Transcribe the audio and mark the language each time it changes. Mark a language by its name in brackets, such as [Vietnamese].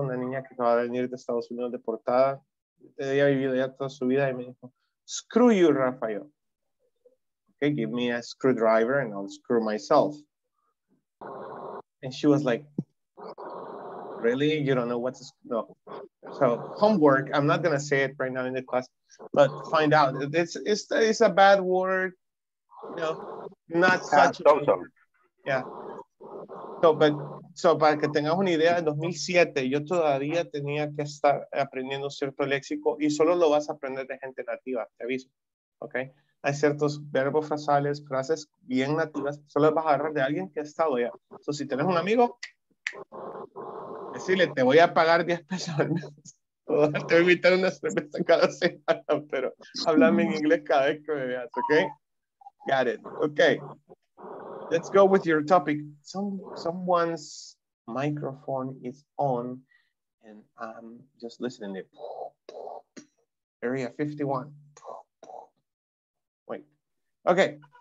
[Spanish] Una niña que acaba de venir de Estados Unidos deportada. Ella ha vivido ya toda su vida y me dijo, [English] screw you, Rafael. Okay, give me a screwdriver and I'll screw myself. And she was like, really? You don't know what's... No. So homework, I'm not going to say it right now in the class, but find out. It's a bad word. You know, not such a word. Yeah. [Spanish] So, para que tengas una idea, en 2007 yo todavía tenía que estar aprendiendo cierto léxico y solo lo vas a aprender de gente nativa, te aviso, ¿ok? Hay ciertos verbos frases bien nativas, solo vas a agarrar de alguien que ha estado ya. So, si tienes un amigo, Decirle, te voy a pagar 10 pesos al mes. Te voy a invitar una cerveza cada semana, pero háblame en inglés cada vez que me veas, ¿ok? [English] Got it. Okay. Let's go with your topic. Someone's microphone is on and I'm just listening to it. Area 51. Wait. Okay.